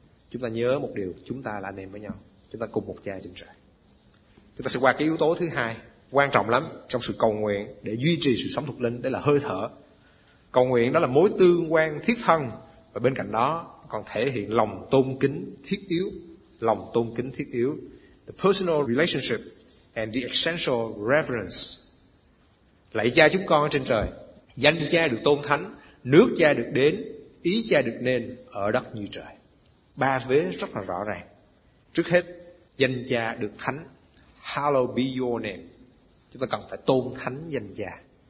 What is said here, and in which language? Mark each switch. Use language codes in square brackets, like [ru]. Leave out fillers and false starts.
[vi] Chúng ta nhớ một điều, chúng ta là anh em với nhau. Chúng ta cùng một cha trên trời. Chúng ta sẽ qua cái yếu tố thứ hai, quan trọng lắm trong sự cầu nguyện để duy trì sự sống thuộc linh, đấy là hơi thở. Cầu nguyện đó là mối tương quan thiết thân, và bên cạnh đó còn thể hiện lòng tôn kính thiết yếu. Lòng tôn kính thiết yếu. [en] The personal relationship and the essential reverence. [vi] Lạy cha chúng con trên trời, danh cha được tôn thánh, nước cha được đến, ý cha được nên ở đất như trời. Ba vế rất là rõ ràng. Trước hết, danh cha được thánh. [en] Hallowed be your name. [vi] Chúng ta cần phải tôn thánh danh cha.